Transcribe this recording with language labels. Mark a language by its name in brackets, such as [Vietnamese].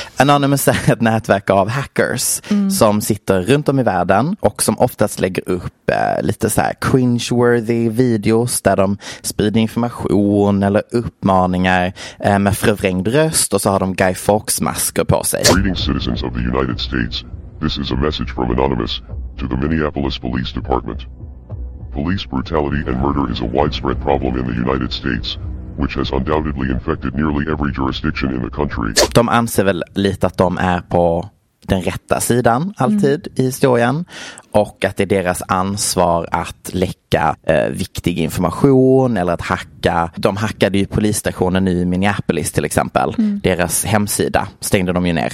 [Swedish] Anonymous är ett nätverk av hackers som sitter runt om i världen och som oftast lägger upp lite så här cringeworthy videos där de sprider information eller uppmaningar med förvrängd röst, och så har de Guy Fawkes-masker på sig. [English] Greetings, citizens of the United States. This is a message from Anonymous to the Minneapolis Police Department. Police brutality and murder is a widespread problem in the United States, which has undoubtedly infected nearly every jurisdiction in the country. [Swedish] De anser väl lite att de är på den rätta sidan alltid i historien, och att det är deras ansvar att läcka viktig information eller att hacka. De hackade ju polisstationen i Minneapolis till exempel. Mm. Deras hemsida stängde de ju ner.